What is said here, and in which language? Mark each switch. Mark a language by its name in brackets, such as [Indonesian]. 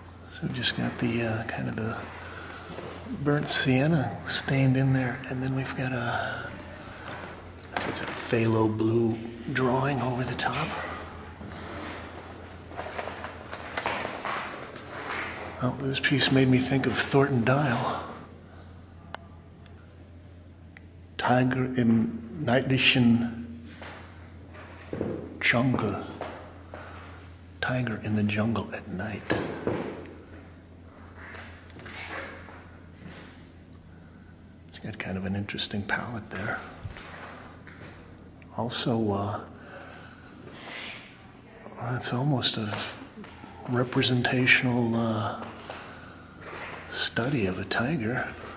[English] So just got the kind of the burnt sienna stained in there, and then we've got a, it's a phthalo blue drawing over the top. Well, this piece made me think of Thornton Dial. [German] Tiger im nächtlichen Dschungel. [English] Tiger in the jungle at night. It's got kind of an interesting palette there. Also, that's almost a representational study of a tiger.